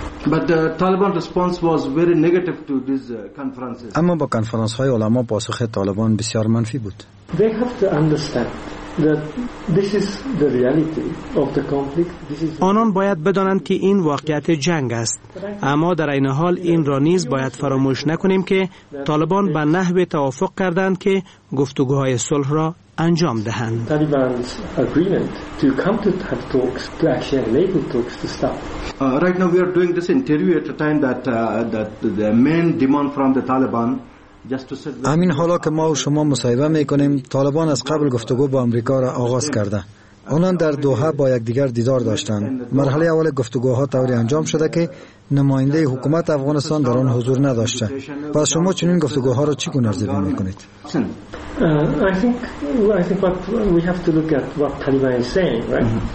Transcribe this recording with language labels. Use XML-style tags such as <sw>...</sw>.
<en>But the Taliban response was very negative to these conferences.</en> <fa>اما با کنفرانس های علما پاسخ طالبان بسیار منفی بود.</fa> <en>They have to understand that this is the reality of the conflict.</en> <fa>آنان باید بدانند که این واقعیت جنگ است. اما در این حال این را نیز باید فراموش نکنیم که طالبان به نحوی توافق کردند که گفتگوهای صلح را انجام دهند.</fa> <en>Taliban's agreement to come to have talks, to actually enable talks to stop. Right now we are doing this interview at a time that the main demand from the Taliban.</en> <fa>همین حالا که ما و شما مصاحبه میکنیم، طالبان از قبل گفتگو با امریکا را آغاز کرده. آنان در دوحه با یکدیگر دیدار داشتند. مرحله اول گفتگوها طوری انجام شده که نماینده حکومت افغانستان در آن حضور نداشته. پس شما چنین گفتگوها را چی گونه ارزیابی میکنید؟</fa> <en>I think what we have to look at what Taliban is saying, right?</en>